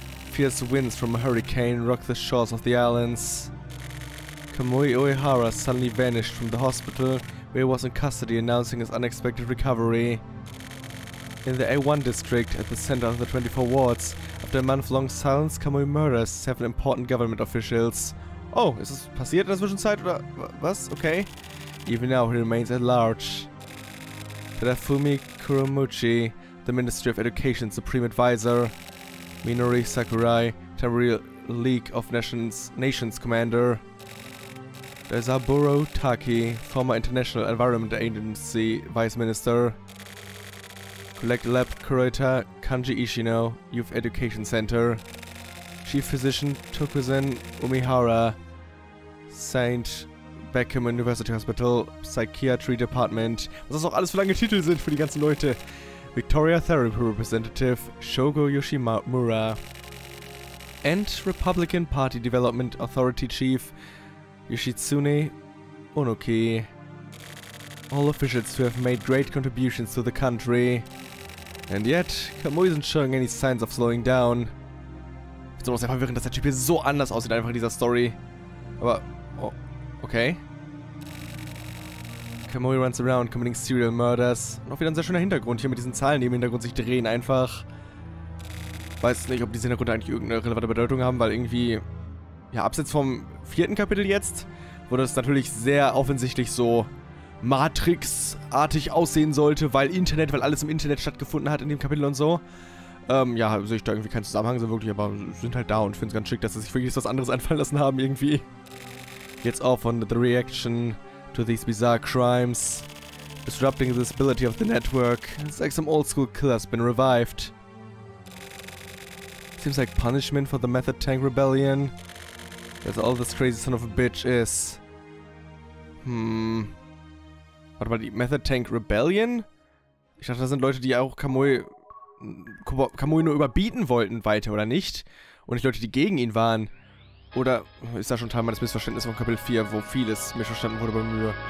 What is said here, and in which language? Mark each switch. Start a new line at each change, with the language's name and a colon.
English: Fierce winds from a hurricane rocked the shores of the islands. Kamui Uehara suddenly vanished from the hospital where he was in custody announcing his unexpected recovery. In the A1 district, at the center of the 24 wards, after a month-long silence, Kamui murders several important government officials.
German: Oh, ist das passiert in der Zwischenzeit, oder was?
English: Okay. Even now, he remains at large. Terafumi Kurumuchi, the Ministry of Education Supreme Advisor. Minori Sakurai, Temporary League of Nations Commander. Daisaburo Taki, former International Environment Agency Vice Minister. Collect Lab Curator Kanji Ishino, Youth Education Center. Chief Physician Tokuzen Umihara, St. Beckham University Hospital, Psychiatry Department.
German: Was das auch alles für lange Titel sind für die ganzen Leute.
English: Victoria Therapy Representative Shogo Yoshimura. And Republican Party Development Authority Chief Yoshitsune Onoki. All officials who have made great contributions to the country. And yet, Kamui isn't showing any signs of slowing down.
German: Ich finde es sehr verwirrend, dass der Typ hier so anders aussieht einfach in dieser Story. Aber, oh, okay.
English: Kamui runs around committing serial murders.
German: Noch wieder ein sehr schöner Hintergrund hier mit diesen Zahlen, die im Hintergrund sich drehen einfach. Weiß nicht, ob diese Hintergründe eigentlich irgendeine relevante Bedeutung haben, weil irgendwie, ja, abseits vom vierten Kapitel jetzt, wurde es natürlich sehr offensichtlich so Matrix-artig aussehen sollte, weil Internet, weil alles im Internet stattgefunden hat in dem Kapitel und so. Ja, sehe ich da irgendwie keinen Zusammenhang so wirklich, aber sind halt da und finde es ganz schick, dass sie sich wirklich was anderes einfallen lassen haben irgendwie. Jetzt auch von
English: the reaction to these bizarre crimes. Disrupting the stability of the network. It's like some old school killer's been revived. Seems like punishment for the Method Tank Rebellion. That's all this crazy son of a bitch is.
German: Warte mal, die Method Tank Rebellion? Ich dachte, das sind Leute, die auch Kamui nur überbieten wollten, weiter, oder nicht? Und nicht Leute, die gegen ihn waren. Oder ist da schon Teil meines Missverständnisses von Kapitel 4, wo vieles missverstanden wurde bei mir?